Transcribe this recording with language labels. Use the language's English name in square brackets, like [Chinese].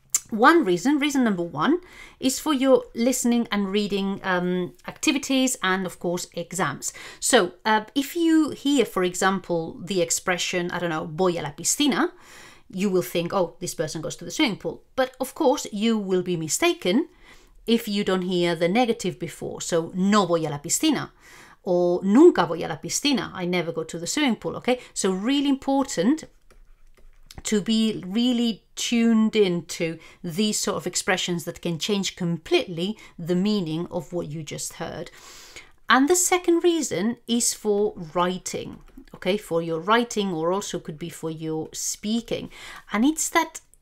[English] One reason, reason number one, is for your listening and reading activities and, of course, exams. So if you hear, for example, the expression, I don't know, [Spanish] voy a la piscina, [English] you will think, oh, this person goes to the swimming pool. But, of course, you will be mistaken if you don't hear the negative before. [Spanish] So no voy a la piscina or nunca voy a la piscina. [English] I never go to the swimming pool. Okay, so really important to be really tuned into these sort of expressions that can change completely the meaning of what you just heard. And the second reason is for writing, okay, for your writing, or also could be for your speaking. And it's that